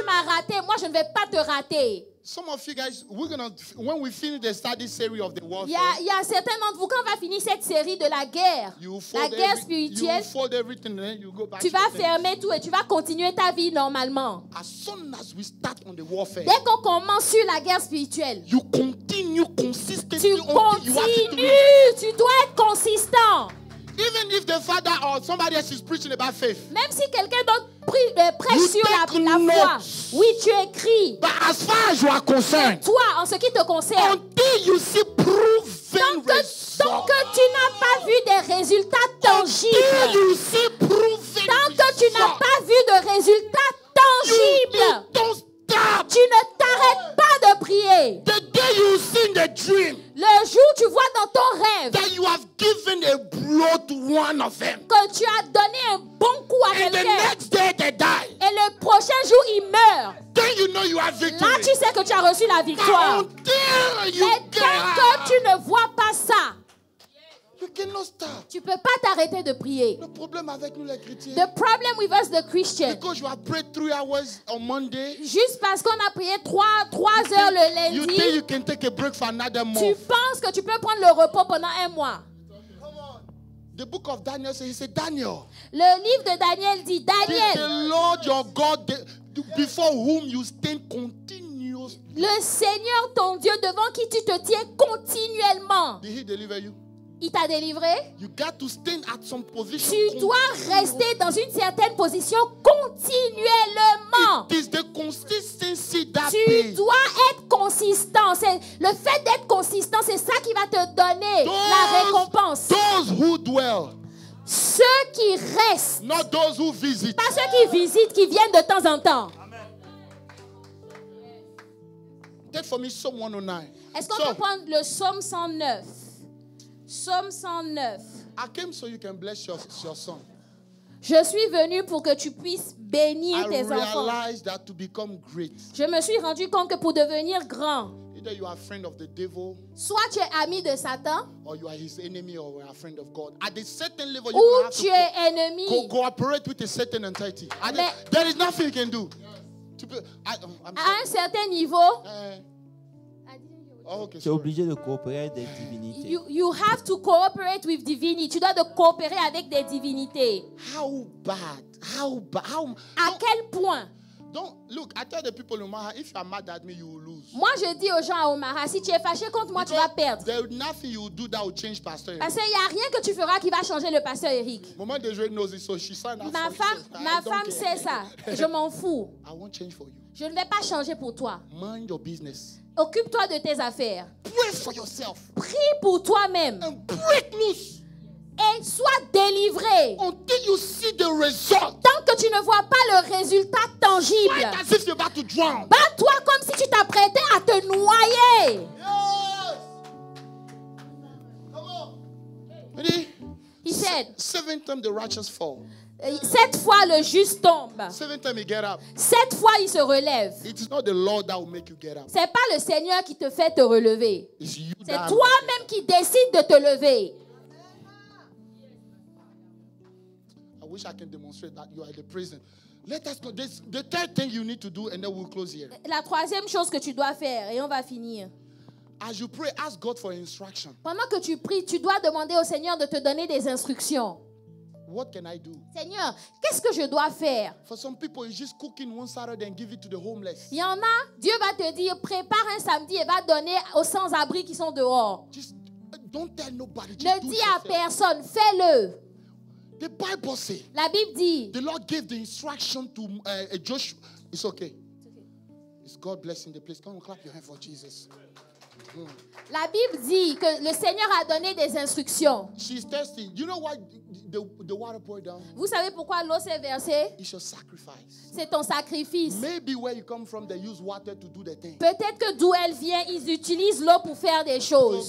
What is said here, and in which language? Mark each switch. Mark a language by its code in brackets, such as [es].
[fr] Tu m'as raté, moi, je ne vais pas te rater. [en] Some of you guys, we're gonna when we finish the study series of the warfare. [fr] Il y a certains d'entre vous quand on va finir cette série de la guerre, la guerre spirituelle. [en] You fold everything, then you go back. [fr] Tu vas fermer tout et tu vas continuer ta vie normalement. [en] As soon as we start on the warfare. [fr] Dès qu'on commence sur la guerre spirituelle. [en] You continue consistently. [fr] Tu continues. Tu dois être consistant. [en] Even if the father or somebody else is preaching about faith. [fr] Même si quelqu'un d'autre prêche sur la foi. Oui, tu écris. [en] But as far as you are concerned. [fr] Toi, en ce qui te concerne. [en] Until you see proven results. [fr] Tant que tu n'as pas vu des résultats tangibles. [en] Until you see proven [fr] tant que tu n'as pas vu de résultats tangibles. [en] You don't stop. [fr] Tu ne t'arrêtes pas de prier. [en] The day you see the dream. [fr] Le jour où tu vois dans ton rêve [en] that you have given a blow to one of them. [fr] Que tu as donné un bon coup à [en] and [fr] quelqu'un [en] the next day they die. [fr] Et le prochain jour il meurt [en] then you know you have victory. [fr] Là tu sais que tu as reçu la victoire mais tant que tu ne vois pas ça [en] you cannot stop. [fr] Tu ne peux pas t'arrêter de prier. Le problème avec nous les chrétiens [en] the problem with us, the Christians, because you have prayed 3 hours on Monday, [fr] juste parce qu'on a prié 3 heures le lundi [en] you think you can take a break for another month. [fr] Tu penses que tu peux prendre le repos pendant un mois. [en] The book of Daniel says, he said, Daniel. [fr] Le livre de Daniel dit Daniel. [en] The Lord your God, before whom you stand continuously. [fr] Le Seigneur ton Dieu devant qui tu te tiens continuellement. [en] Did he deliver you? [fr] Il t'a délivré. [en] You got to stand at some position. [fr] Tu dois rester dans une certaine position continuellement. [en] It is the consistency that [fr] tu dois être consistant. C'est le fait d'être consistant, c'est ça qui va te donner [en] those, [fr] la récompense. [en] Those who dwell. [fr] Ceux qui restent. [en] Not those who visit. [fr] Pas ceux qui visitent, qui viennent de temps en temps. [en] Amen. Take for me Psalm 109. [fr] Est-ce qu'on peut prendre le Psaume 109? Psaume 109. [en] I came so you can bless your son. [fr] Je suis venu pour que tu puisses bénir [en] I [fr] tes enfants. [en] Realized that to become great, [fr] je me suis rendu compte que pour devenir grand, [en] either you are friend of the devil, [fr] soit tu es ami de Satan, [en] or you are his enemy or a friend of God. At a certain level, [fr] ou tu es ennemi. [en] Cooperate with a certain entity. There is nothing you can do. [fr] À un certain niveau. [en] Oh, okay, [fr] tu es obligé de coopérer avec des divinités. [en] You have to cooperate with divinity. [fr] Tu dois de coopérer avec des divinités. [en] How bad? How [fr] à quel point? [en] Don't look. I tell the people in Omaha, if you are mad at me, you will lose. [fr] Moi, je dis aux gens à Omaha, si tu es fâché contre moi, [en] because [fr] tu vas perdre. [en] There is nothing you do that will change Pastor Eric. [fr] Parce qu'il y a rien que tu feras qui va changer le Pasteur Eric. Moment de jouer nos issues, ma femme sait ça. Je m'en fous. [en] I won't change for you. [fr] Je ne vais pas changer pour toi. [en] Mind your business. [fr] Occupe-toi de tes affaires. [en] Pray for yourself. [fr] Prie pour toi-même. [en] And break loose. [fr] Et sois délivré. [en] Until you see the result. [fr] Tant que tu ne vois pas le résultat tangible. [en] Fight as if you're about to drown. [fr] Bats-toi comme si tu t'apprêtais à te noyer. [en] Yes. Come on. Ready? He said. Seven times the righteous fall. [fr] Sept fois le juste tombe. [en] Seven times he get up. [fr] Sept fois il se relève. [en] It is not the Lord that will make you get up. [fr] C'est pas le Seigneur qui te fait te relever. [en] It's you [fr] c'est toi-même qui décides de te lever. [en] I wish I can demonstrate that you are the prison. Let us go. This, the third thing you need to do, and then we'll close here. [fr] La troisième chose que tu dois faire, et on va finir. [en] As you pray, ask God for instruction. [fr] Pendant que tu pries, tu dois demander au Seigneur de te donner des instructions. [en] What can I do? [fr] Seigneur, qu'est-ce que je dois faire? [en] For some people, it's just cooking one Saturday and give it to the homeless. [fr] Il y en a, Dieu va te dire, prépare un samedi et va donner aux sans-abri qui sont dehors. [en] Just don't tell nobody. [fr] Ne dis à personne, fais-le. [en] The Bible says. [fr] La Bible dit. [en] The Lord gave the instruction to Joshua. It's okay. It's God blessing the place. Come on, clap your hands for Jesus. [fr] La Bible dit que le Seigneur a donné des instructions. [en] She's thirsty. You know why the water poured down? [fr] Vous savez pourquoi l'eau s'est versée? [en] It's your sacrifice. [fr] C'est ton sacrifice. [en] Maybe where you come from, they use water to do the thing. [fr] Peut-être que d'où elle vient, ils utilisent l'eau pour faire des choses.